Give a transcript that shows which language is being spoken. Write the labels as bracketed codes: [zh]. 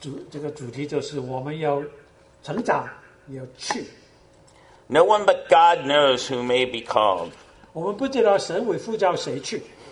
[zh] 这个主题就是我们要成长, 要去。 [en] No one but God knows who may be called. [zh] 我们不知道神会呼召谁去。